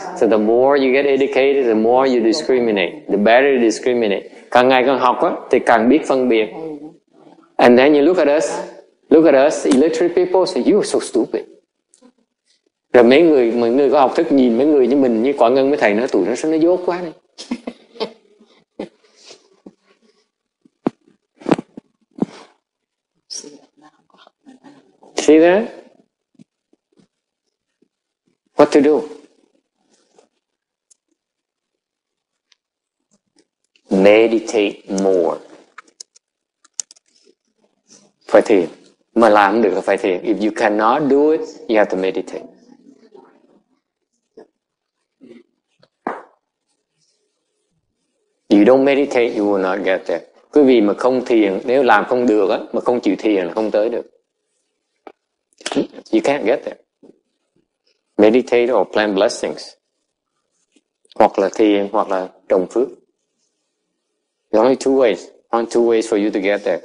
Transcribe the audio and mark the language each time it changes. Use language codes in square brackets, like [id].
[en] So the more you get educated, the more you discriminate. The better you discriminate. [vi] Càng ngày càng học á, thì càng biết phân biệt. [en] And then you look at us. Look at us, illiterate people say, you are so stupid. [vi] Rồi mấy người có học thức nhìn mấy người như mình, như Quả Ngân với thầy nói, tụi nó sao nó dốt quá này. [en] See that? What to do? Meditate more. [vi] Phải thiền. Mà làm được là phải thiền. [en] If you cannot do it, you have to meditate. You don't meditate, you will not get there. [vi] Quý vị mà không thiền, nếu làm không được á, mà không chịu thiền là không tới được. [en] You can't get there. Meditate or plant blessings. [vi] Hoặc là thiền, hoặc là trồng phước. [en] There are only two ways for you to get there.